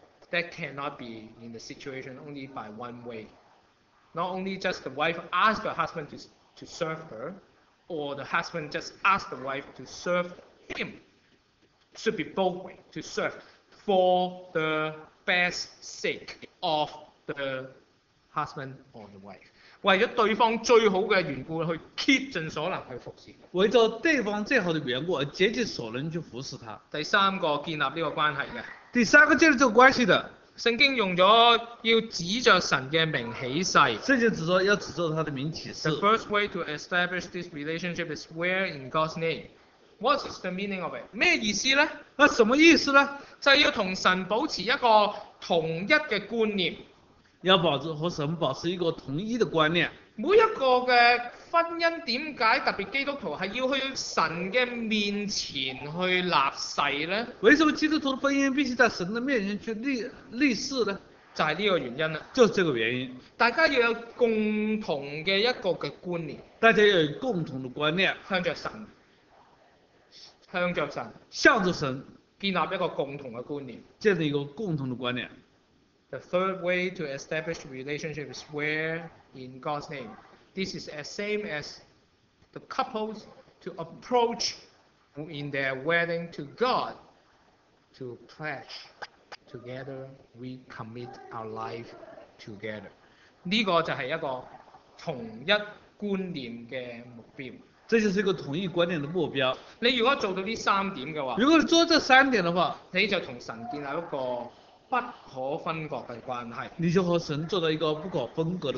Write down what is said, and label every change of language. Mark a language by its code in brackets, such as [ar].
[en] That cannot be in the situation only by one way. Not only just the wife ask the husband to serve her, or the husband just ask the wife to serve him. Should be both ways to serve for the best sake of the husband or the wife. [zh] 为了对方最好的缘故去竭尽所能去服侍，为了对方最好的缘故而竭尽所能去服侍他。第三个建立这个关系的，第三个建立这个关系的，圣经用了要指着神的名起誓，圣经指着要指着他的名起誓。 [en] The first way to establish this relationship is swear in God's name. What's the meaning of it? [zh] 什么意思呢？那什么意思呢？就是要跟神保持一个同一的观念，要保持和神保持一个统一的观念。每一个的婚姻为什么特别基督徒是要去神的面前去立誓呢？为什么基督徒的婚姻必须在神的面前去 立誓呢？就是这个原因，就是这个原因。大家要有共同的一个观念，大家要有共同的观念，向着神，向着神，向着神建立一个共同的观念，建立一个共同的观念。 [en] The third way to establish relationship is swear in God's name. This is as same as the couples to approach in their wedding to God to pledge together we commit our life together. [zh] 这个就是一个同一观念的目标。这就是一个统一观念的目标。你如果做到这三点的话，如果你做这三点的话，你就跟神建立一个不可分割的关系，你就和神做到一个不可分割的关系。